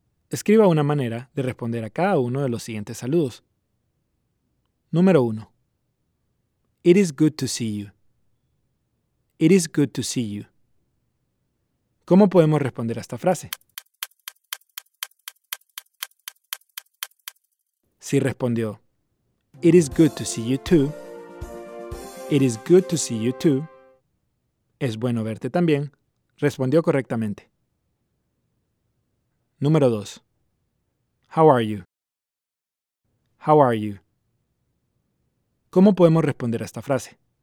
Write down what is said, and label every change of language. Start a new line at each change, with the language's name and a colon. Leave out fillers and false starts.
Spanish: Escriba una manera de responder a cada uno de los siguientes saludos. Número 1.
English: It is good to see you. It is good to see you.
Spanish: ¿Cómo podemos responder a esta frase? Si respondió,
English: It is good to see you too. It is good to see you too.
Spanish: Es bueno verte también. Respondió correctamente. Número 2.
English: How are you? How are you?
Spanish: ¿Cómo podemos responder a esta frase?